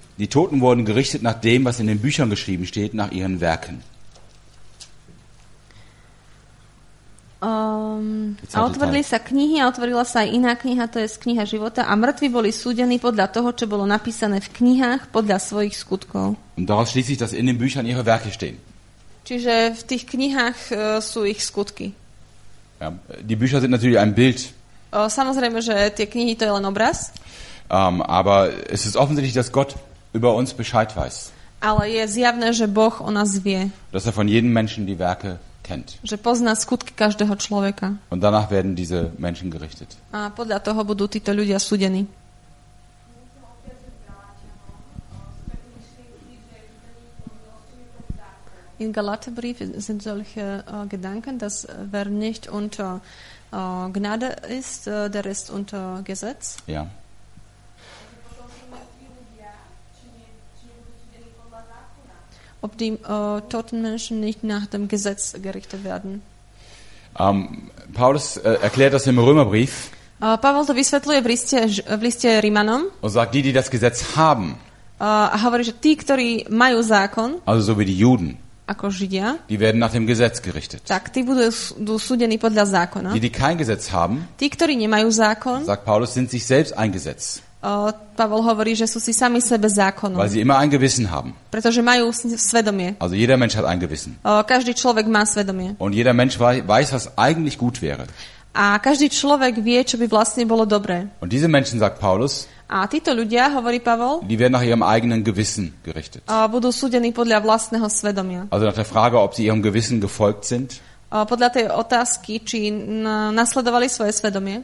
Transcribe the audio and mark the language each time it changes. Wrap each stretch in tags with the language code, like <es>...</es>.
<de>die Toten wurden gerichtet nach dem, was in den Büchern geschrieben steht, nach ihren Werken.</de> <sk>A otvorili sa knihy a otvorila sa aj iná kniha, to je kniha života a mŕtvi boli súdení podľa toho, čo bolo napísané v knihách, podľa svojich skutkov.</sk> <de>Und daraus schließt sich, dass in den Büchern ihre Werke stehen.</de> <sk>Čiže v tých knihách sú ich skutky.</sk> <de>Ja, die Bücher sind natürlich ein Bild.</de> <sk>Samozrejme, že tie knihy to je len obraz.</sk> <de>Aber es ist offensichtlich, dass Gott über uns Bescheid weiß.</de> <sk>Ale je zjavné, že Boh o nás vie.</sk> <de>Dass er von jedem Menschen die Werke kennt.</de> <sk>Že pozná skutky každého človeka.</sk> <de>Und danach werden diese Menschen gerichtet.</de> <sk>A podľa toho budú títo ľudia súdení.</sk> <de>In Galaterbrief sind solche Gedanken, dass wer nicht unter Gnade ist, der ist unter Gesetz. Ja. Ob die toten Menschen nicht nach dem Gesetz gerichtet werden. Paulus erklärt das im Römerbrief.</de> <sk>Pavel to vysvetľuje v liste Rímanom.</sk> <de>Und sagt, die das Gesetz haben.</de> <sk>Hovorí, že tí, ktorí majú zákon.</sk> <de>Also so wie die Juden.</de> <sk>Ako Židia,</sk> <de>die werden nach dem Gesetz gerichtet.</de> <sk>Tak, tí budú súdení podľa zákona.</sk> <de>Die kein Gesetz haben,</de> <sk>tí, ktorí nemajú zákon,</sk> <de>sagt Paulus, sind sich selbst ein Gesetz.</de> <sk>Pavel hovorí, že sú si sami sebe zákonom.</sk> <de>Weil sie immer ein Gewissen haben.</de> <sk>Pretože majú svedomie.</sk> <de>Also jeder Mensch hat ein Gewissen.</de> <sk>Každý človek má svedomie.</sk> <de>Und jeder Mensch weiß, was eigentlich gut wäre.</de> <sk>A každý človek vie, čo by vlastne bolo dobré.</sk> <de>Und diese Menschen, sagt Paulus,</de> <sk>a títo ľudia, hovorí Pavel,</sk> <de>die werden nach ihrem eigenen Gewissen gerichtet.</de> <sk>Budú súdení podľa vlastného svedomia.</sk> <de>Also nach der Frage, ob sie ihrem Gewissen gefolgt sind.</de> <sk>Podľa tej otázky, či nasledovali svoje svedomie.</sk>